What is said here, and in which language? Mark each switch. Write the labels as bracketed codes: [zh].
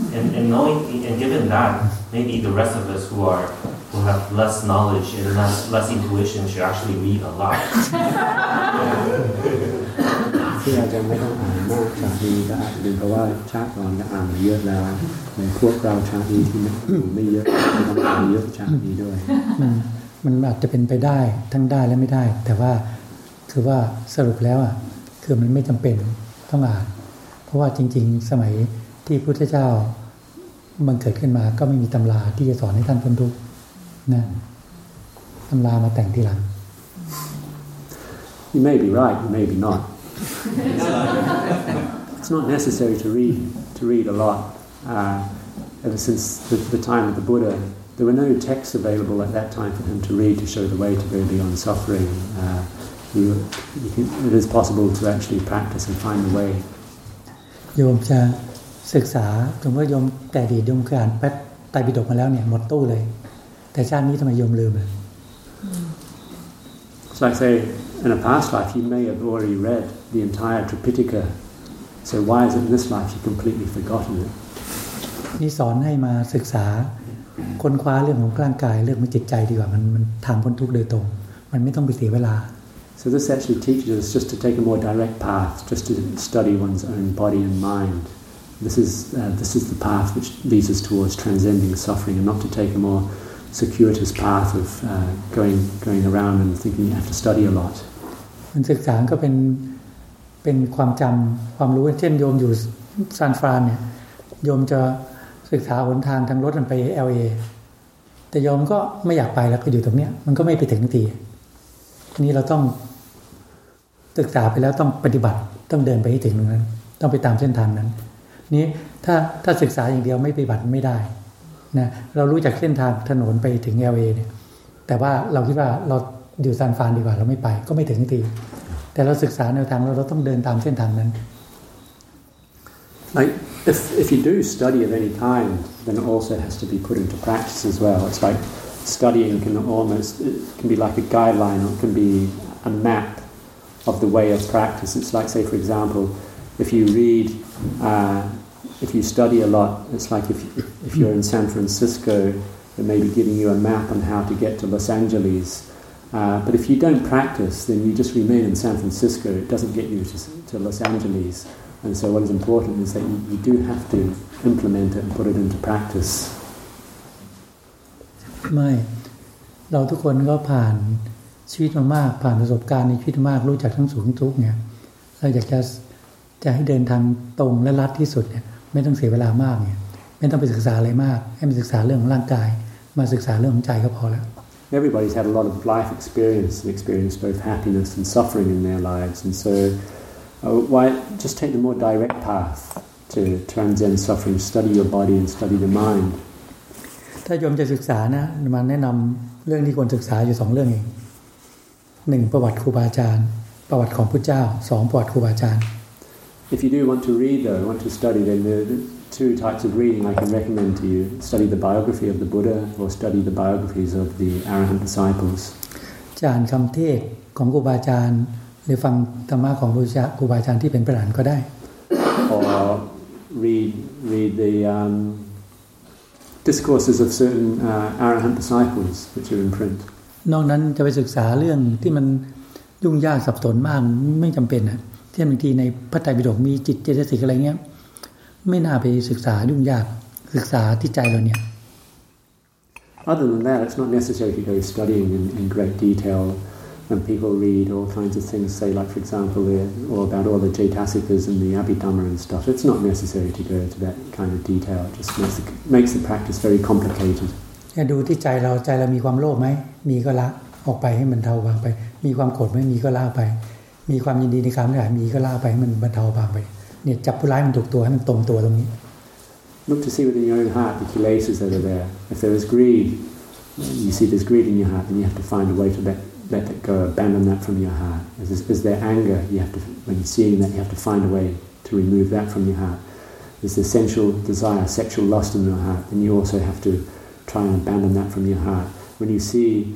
[en] And knowing and given that, maybe the rest of us who have less knowledge and less intuition should actually read a lot. [th] มันอาจจะเป็นไปได้ทั้งได้และไม่ได้แต่ว่าคือว่าสรุปแล้วอ่ะคือมันไม่จำเป็นต้องอ่านเพราะว่าจริงๆสมัยที่พุทธเจ้ามันเกิดขึ้นมาก็ไม่มีตำราที่จะสอนให้ท่านพ้นทุกข์นะตำรามาแต่งทีหลัง [en] You may be right, you may be notIt's not necessary to read a lot. Ever since the time of the Buddha, there were no texts available at that time for him to read to show the way to go beyond suffering. It is possible to actually practice and find the way. [th] โยมจะศึกษาถึงว่าโยมแต่ดีโยมเคยอ่านไตรปิฎกมาแล้วเนี่ยหมดตู้เลยแต่ชาตินี้ทำไมโยมลืมอ่ะ [en] So I say, in a past life, you may have already read. The entire Tripitaka. So why is it in this life you completely forgotten it? [th] นี่สอนให้มาศึกษาค้นคว้าเรื่องของร่างกายเรื่องของจิตใจดีกว่ามันทางพ้นทุกข์โดยตรงมันไม่ต้องไปเสียเวลา [en] So this actually teaches us just to take a more direct path, just to study one's own body and mind. This is the path which leads us towards transcending suffering, and not to take a more circuitous path of going around and thinking you have to study a lot. [th] มันศึกษาก็เป็นความจำความรู้เช่นโยมอยู่ซานฟรานเนี่ยโยมจะศึกษาหนทางทางรถมันไป LA แต่โยมก็ไม่อยากไปแล้วก็อยู่ตรงเนี้ยมันก็ไม่ไปถึงทีนี้เราต้อง ศึกษาไปแล้วต้องปฏิบัติต้องเดินไปให้ถึงตรงนั้นต้องไปตามเส้นทางนั้นนี้ถ้าศึกษาอย่างเดียวไม่ปฏิบัติไม่ได้นะเรารู้จักเส้นทางถนนไปถึง LA เนี่ยแต่ว่าเราคิดว่าเราอยู่ซานฟรานดีกว่าเราไม่ไปก็ไม่ถึงทีแต่เราศึกษาแนวทางเราต้องเดินตามเส้นทางนั้น [en] Like if you do study of any kind, then it also has to be put into practice as well. It's like studying can be like a guideline, or it can be a map of the way of practice. It's like, say, for example, if you read, if you study a lot, it's like if you're in San Francisco, it may be giving you a map on how to get to Los Angeles. But if you don't practice, then you just remain in San Francisco. It doesn't get you to Los Angeles. And so what is important is that you do have to implement it and put it into practice. [th] ไม่เราทุกคนก็ผ่านชีวิตมามากผ่านประสบการณ์ในชีวิตมากรู้จักทั้งสูงทุกข์เนี่ยเราอยากจะให้เดินทางตรงและลัดที่สุดเนี่ยไม่ต้องเสียเวลามากเนี่ยไม่ต้องไปศึกษาอะไรมากให้มาศึกษาเรื่องของร่างกายมาศึกษาเรื่องของใจก็พอแล้ว [en] Everybody's had a lot of life experience and experienced both happiness and suffering in their lives. And so why just take the more direct path to transcend suffering, study your body and study the mind. [th] ถ้าโยมจะศึกษานะมาแนะนำเรื่องที่ควรศึกษาอยู่สองเรื่องเองหนึ่งประวัติครูบาอาจารย์ประวัติของพุทธเจ้าสองประวัติครูบาอาจารย์ [en] If you do want to read though, want to study, then the two types of reading I can recommend to you. Study the biography of the Buddha or study the biographies of the Arahant disciples. [th] จานคำเทศของครูบาอาจารย์หรือฟังธรรมะของครูบาอาจารย์ที่เป็นพระอรหันต์ก็ได้ [en] Or read the discourses of certain Arahant disciples which are in print. [th] นอกนั้นจะไปศึกษาเรื่องที่มันยุ่งยากสับสนมากไม่จำเป็นนะเช่นบางทีในพระไตรปิฎกมีจิตเจตสิกอะไรเงี้ยไม่น่าไปศึกษายุ่งยากศึกษาที่ใจเราเนี่ย [en] Other than that, it's not necessary to go studying in great detail. When people read all kinds of things, say like for example, all about all the Jetasikas and the Abhidhamma and stuff, it's not necessary to go to that kind of detail. It just makes the practice very complicated. [th] แค่ดูที่ใจเราใจเรามีความโลภไหมมีก็ละออกไปให้มันเทาบางไปมีความโกรธไหมมีก็ละไปมีความยินดีในกามเท่าไหร่มีก็ละไปให้มันบรรเทาบางไปเนี่ยจับผู้ร้ายมันถูกตัวให้มันตรงตัวตรงนี้ [en] Look to see within your own heart the kilesas that are there. If there is greed, you see there's greed in your heart, then you have to find a way to let that go, abandon that from your heart. Is there anger? You have to, when you're seeing that, you have to find a way to remove that from your heart. Is there sensual desire, sexual lust in your heart? Then you also have to try and abandon that from your heart. When you see